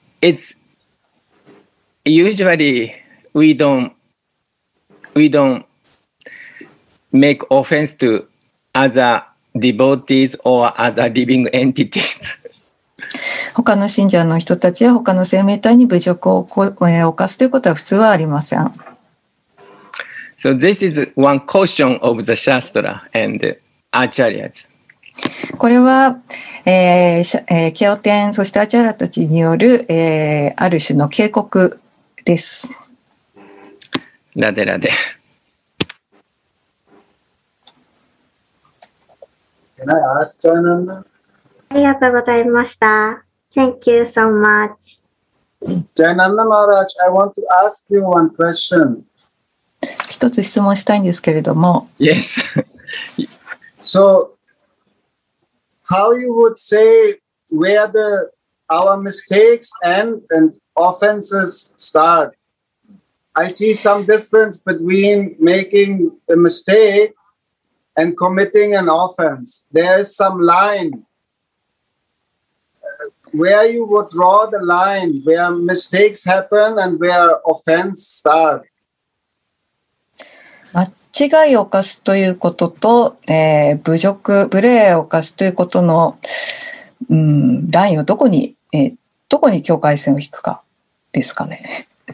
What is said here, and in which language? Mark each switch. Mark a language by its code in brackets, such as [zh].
[en] it's usually we don't make offense to other devotees or other living entities. [ja] 他の信者の人たちや他の生命体に侮辱を犯すということは普通はありません。 [en] So this is one caution of the Shastra and Acharyas. [ja] これは、経典そしてアチャリアたちによる、ある種の警告です。ラデラデ。 [en] Can I ask Jananda? [ja] ありがとうございました。 [en] Thank you so much. Jayananda Maharaj, I want to ask you one question. [ja] 一つ質問したいんですけれども。 [en] Yes. So, how you would say where the, our mistakes end and offenses start? I see some difference between making a mistake and committing an offense. There is some line. Where you would draw the line, where mistakes happen and where offense start. [ja] 間違いを犯すということと、侮辱、無礼を犯すということの、ラインをどこに、どこに境界線を引くかですかね。